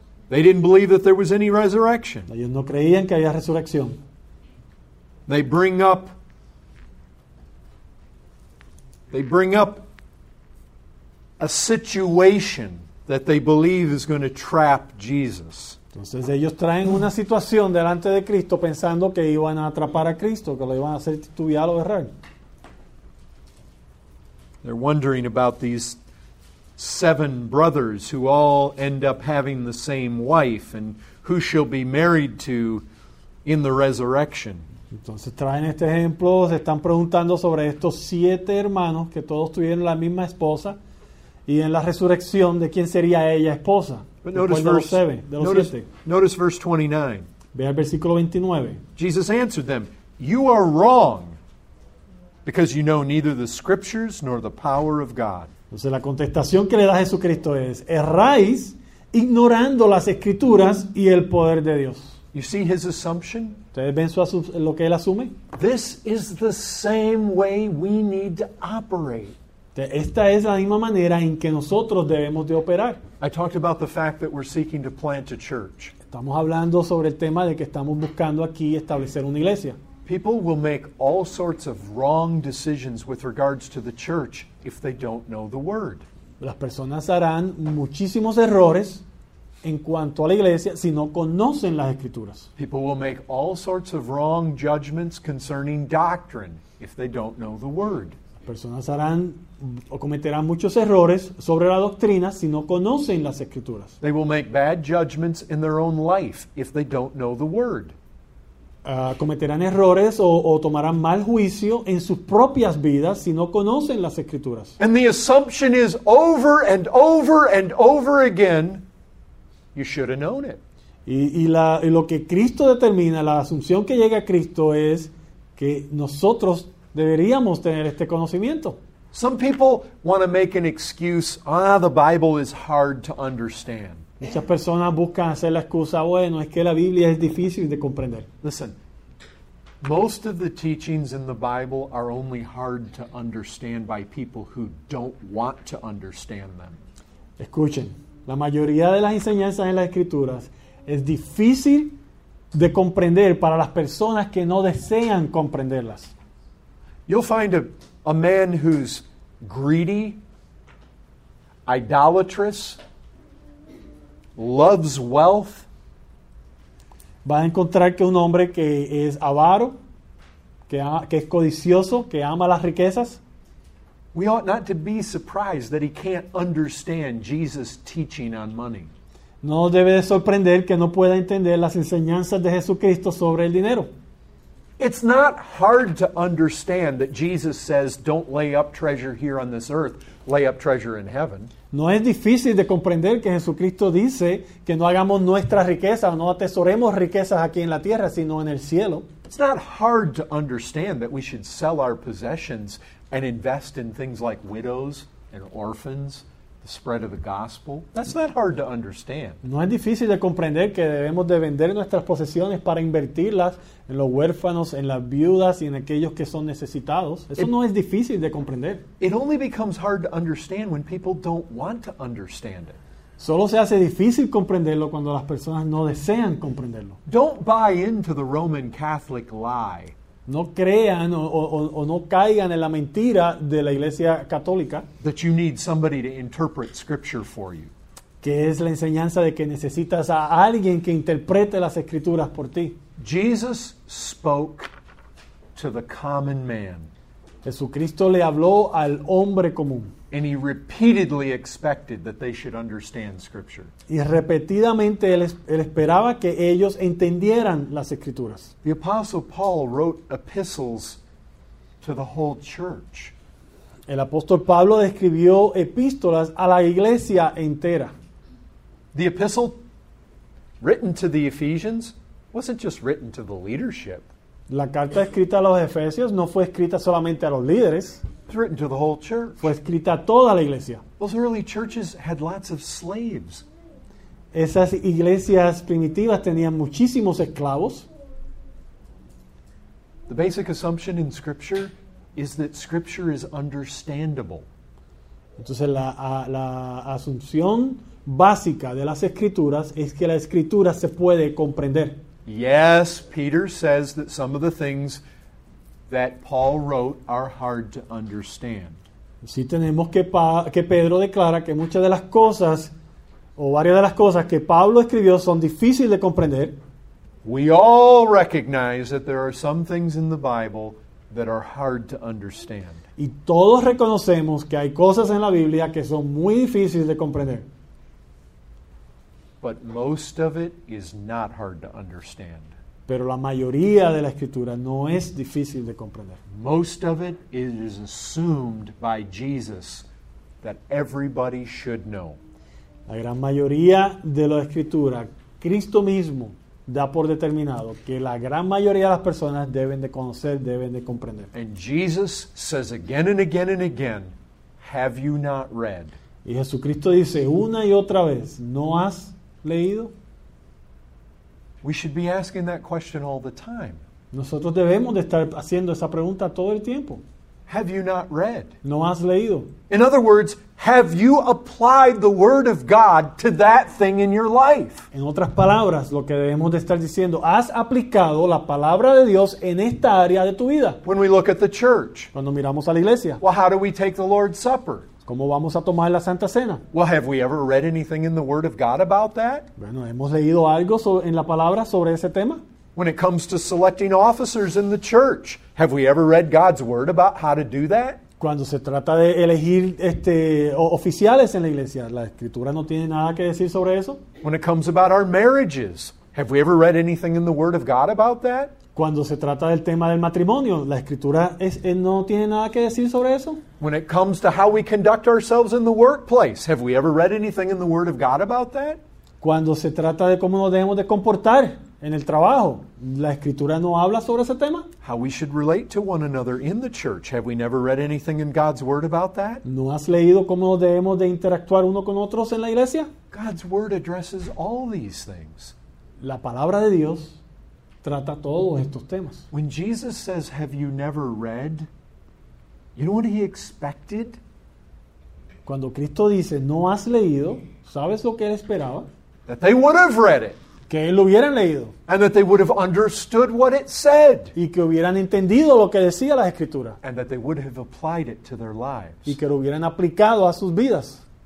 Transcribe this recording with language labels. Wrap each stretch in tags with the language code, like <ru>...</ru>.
<en>They didn't believe that there was any resurrection.</en> <es>Ellos no creían que había resurrección.</es> <en>They bring up a situation that they believe is going to trap Jesus.</en> <es>Entonces ellos traen una situación delante de Cristo pensando que iban a atrapar a Cristo, que lo iban a hacer titubear o errar.</es> <en>They're wondering about these 7 brothers who all end up having the same wife and who she'll be married to in the resurrection.</en> <es>Entonces traen este ejemplo, se están preguntando sobre estos 7 hermanos que todos tuvieron la misma esposa y en la resurrección de quién sería ella esposa.</es> <en>But notice verse 29.</en> <es>Ve al versículo 29.</es> <en>Jesus answered them, "You are wrong because you know neither the scriptures nor the power of God."</en> <es>Entonces la contestación que le da Jesucristo es, erráis ignorando las escrituras y el poder de Dios.</es> <en>You see his assumption?</en> <es>¿Ustedes ven lo que él asume?</es> <en>This is the same way we need to operate.</en> <es>Esta es la misma manera en que nosotros debemos de operar.</es> <en>I talked about the fact that we're seeking to plant a church.</en> <es>Estamos hablando sobre el tema de que estamos buscando aquí establecer una iglesia.</es> <en>People will make all sorts of wrong decisions with regards to the church if they don't know the word.</en> <es>Las personas harán muchísimos errores en cuanto a la iglesia si no conocen las escrituras.</es> <en>People will make all sorts of wrong judgments concerning doctrine if they don't know the word.</en> <es>Las personas harán o cometerán muchos errores sobre la doctrina si no conocen las escrituras.</es> <en>They will make bad judgments in their own life if they don't know the word.</en> <es>Cometerán errores o tomarán mal juicio en sus propias vidas si no conocen las escrituras.</es> <en>And the assumption is over and over and over again, you should have known it.</en> <es>Y lo que Cristo determina, la asunción que llega a Cristo es que nosotros deberíamos tener este conocimiento.</es> <en>Some people want to make an excuse, the Bible is hard to understand.</en> <es>Muchas personas buscan hacer la excusa, bueno, es que la Biblia es difícil de comprender.</es> <en>Listen, most of the teachings in the Bible are only hard to understand by people who don't want to understand them.</en> <es>Escuchen, la mayoría de las enseñanzas en las Escrituras es difícil de comprender para las personas que no desean comprenderlas.</es> <en>You'll find a man who's greedy, idolatrous, loves wealth.</en> <es>Va a encontrar que un hombre que es avaro, que es codicioso, que ama las riquezas.</es> <en>We ought not to be surprised that he can't understand Jesus' teaching on money.</en> <es>No debe de sorprender que no pueda entender las enseñanzas de Jesucristo sobre el dinero.</es> <en>It's not hard to understand that Jesus says, "Don't lay up treasure here on this earth; lay up treasure in heaven."</en> <es>No es difícil de comprender que Jesucristo dice que no hagamos nuestras riquezas, no atesoremos riquezas aquí en la tierra, sino en el cielo.</es> <en>It's not hard to understand that we should sell our possessions and invest in things like widows and orphans, the spread of the gospel. That's not hard to understand.</en> <es>No es difícil de comprender que debemos de vender nuestras posesiones para invertirlas en los huérfanos, en las viudas y en aquellos que son necesitados. Eso no es difícil de comprender.</es> <en>It only becomes hard to understand when people don't want to understand it.</en> <es>Solo se hace difícil comprenderlo cuando las personas no desean comprenderlo.</es> <en>Don't buy into the Roman Catholic lie.</en> <es>No crean o no caigan en la mentira de la Iglesia Católica.</es> <en>That you need somebody to interpret scripture for you.</en> <es>Que es la enseñanza de que necesitas a alguien que interprete las escrituras por ti.</es> <en>Jesus spoke to the common man.</en> <es>Jesucristo le habló al hombre común.</es> <en>And he repeatedly expected that they should understand Scripture.</en> <es>Y repetidamente él esperaba que ellos entendieran las Escrituras.</es> <en>The Apostle Paul wrote epistles to the whole church.</en> <es>El apóstol Pablo escribió epístolas a la iglesia entera.</es> <en>The epistle written to the Ephesians wasn't just written to the leadership.</en> <es>La carta escrita a los Efesios no fue escrita solamente a los líderes.</es> <en>It was written to the whole church.</en> <es>Fue escrita a toda la iglesia.</es> <en>Those early churches had lots of slaves.</en> <es>Esas iglesias primitivas tenían muchísimos esclavos.</es> <en>The basic assumption in Scripture is that Scripture is understandable.</en> <es>Entonces la asunción básica de las Escrituras es que la Escritura se puede comprender.</es> <en>Yes, Peter says that some of the things that Paul wrote are hard to understand.</en> <es>Sí, tenemos que Pedro declara que muchas de las cosas o varias de las cosas que Pablo escribió son difíciles de comprender.</es> <en>We all recognize that there are some things in the Bible that are hard to understand.</en> <es>Y todos reconocemos que hay cosas en la Biblia que son muy difíciles de comprender.</es> <en>But most of it is not hard to understand.</en> <es>Pero la mayoría de la Escritura no es difícil de comprender.</es> <en>Most of it is assumed by Jesus that everybody should know.</en> <es>La gran mayoría de la Escritura, Cristo mismo da por determinado que la gran mayoría de las personas deben de conocer, deben de comprender.</es> <en>And Jesus says again and again and again, have you not read?</en> <es>Y Jesucristo dice una y otra vez, ¿no has leído?</es> <en>We should be asking that question all the time.</en> <es>Nosotros debemos de estar haciendo esa pregunta todo el tiempo.</es> <en>Have you not read?</en> <es>¿No has leído?</es> <en>In other words, have you applied the word of God to that thing in your life?</en> <es>En otras palabras, lo que debemos de estar diciendo, ¿has aplicado la palabra de Dios en esta área de tu vida?</es> <en>When we look at the church.</en> <es>Cuando miramos a la iglesia.</es> <en>Well, how do we take the Lord's Supper?</en> <es>¿Cómo vamos a tomar la Santa Cena?</es> <en>Well, have we ever read anything in the Word of God about that?</en> <es>Bueno, ¿hemos leído algo en la palabra sobre ese tema?</es> <en>When it comes to selecting officers in the church, have we ever read God's Word about how to do that?</en> <es>Cuando se trata de elegir oficiales en la iglesia, ¿la Escritura no tiene nada que decir sobre eso?</es> <en>When it comes about our marriages, have we ever read anything in the Word of God about that?</en> <es>Cuando se trata del tema del matrimonio, la Escritura no tiene nada que decir sobre eso.</es> <en>When it comes to how we conduct ourselves in the workplace, have we ever read anything in the Word of God about that?</en> <es>Cuando se trata de cómo nos debemos de comportar en el trabajo, la Escritura no habla sobre ese tema.</es> <en>How we should relate to one another in the church, have we never read anything in God's Word about that?</en> <es>¿No has leído cómo nos debemos de interactuar uno con otros en la iglesia?</es> <en>God's Word addresses all these things.</en> <es>La palabra de Dios trata todos estos temas.</es> <en>When Jesus says, have you never read? You know what he expected?</en> <es>Cuando Cristo dice, no has leído, ¿sabes lo que él esperaba?</es> <en>That they would have read it.</en> <es>Que lo hubieran leído.</es> <en>And that they would have understood what it said.</en> <es>Y que hubieran entendido lo que decía la Escritura.</es> <en>And that they would have applied it to their lives.</en> <es>Y que lo hubieran aplicado a sus vidas.</es>